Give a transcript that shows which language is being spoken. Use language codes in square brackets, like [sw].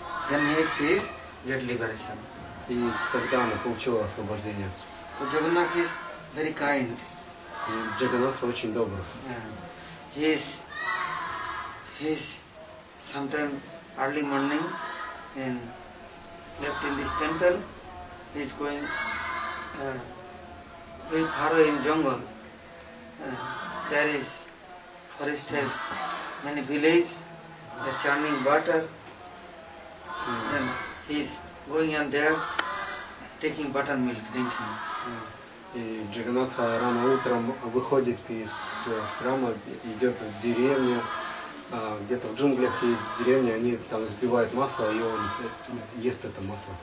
[en] Then he sees that liberation. [ru] И тогда она получила освобождение. [en] So Jagannath is very kind. [ru] И Джаганнатх очень добр. [en] He is sometime early morning and left in this temple. He is going very far away in jungle. There is forest has many village. The churning butter. Then he is going on there, taking buttermilk, drinking. [ru] И Джаганнатха рано утром выходит из храма, идет в деревню, где-то в джунглях есть деревня, они там сбивают масло, и он ест это масло.